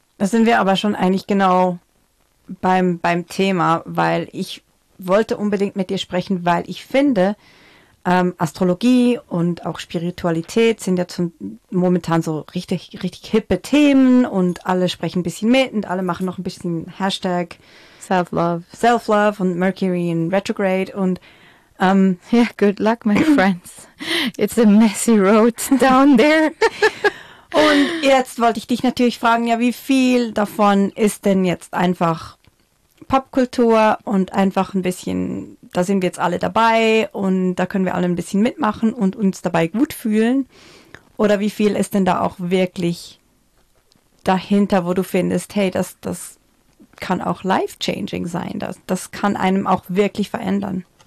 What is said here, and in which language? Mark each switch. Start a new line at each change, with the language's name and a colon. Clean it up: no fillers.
German: Da sind wir aber schon eigentlich genau beim Thema, weil ich wollte unbedingt mit dir sprechen, weil ich finde, Astrologie und auch Spiritualität sind ja momentan so richtig, richtig hippe Themen und alle sprechen ein bisschen mit und alle machen noch ein bisschen Hashtag
English: Self-Love. Self-Love und Mercury in Retrograde und yeah, good luck, my friends. It's a messy road down there.
German: Und jetzt wollte ich dich natürlich fragen, ja, wie viel davon ist denn jetzt einfach Popkultur und einfach ein bisschen, da sind wir jetzt alle dabei und da können wir alle ein bisschen mitmachen und uns dabei gut fühlen. Oder wie viel ist denn da auch wirklich dahinter, wo du findest, hey, das kann auch life-changing sein, das kann einem auch wirklich verändern.